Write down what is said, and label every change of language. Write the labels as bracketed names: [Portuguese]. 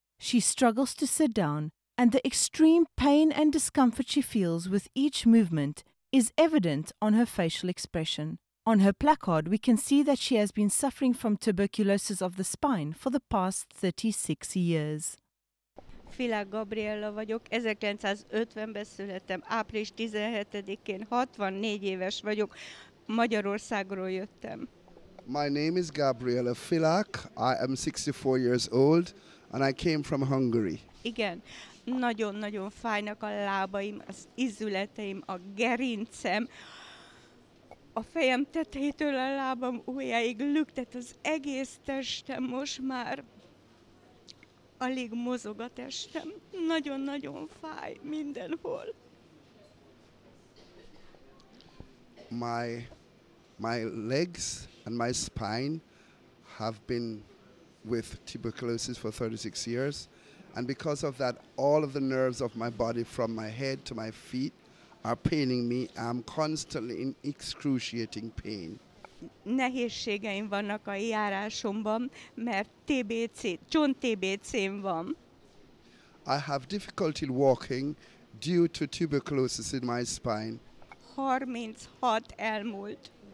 [English] She struggles to sit down, and the extreme pain and discomfort she feels with each movement is evident on her facial expression. On her placard, we can see that she has been suffering from tuberculosis of the spine for the past 36 years. [Hungarian] Fila Gabriella vagyok, 1950-ben születtem, április 17-én, 64 éves vagyok, Magyarországról jöttem. [English] My name is Gabriella Filak, I am 64 years old, and I came from Hungary. [Hungarian] Igen, nagyon-nagyon fájnak a lábaim, az izületeim, a gerincem, a fejem tetejétől a lábam ujjáig lüktet az egész testem most már. Alig mozog a testem, nagyon-nagyon fáj mindenhol. [English] My legs and my spine have been with tuberculosis for 36 years, and because of that, all of the nerves of my body from my head to my feet are paining me. I'm constantly in excruciating pain. [Hungarian] Nehézségeim vannak a járásomban, mert TBC, csont TBC-m van. [English] I have difficulty walking due to tuberculosis in my spine. [Hungarian] 36 elmúlt.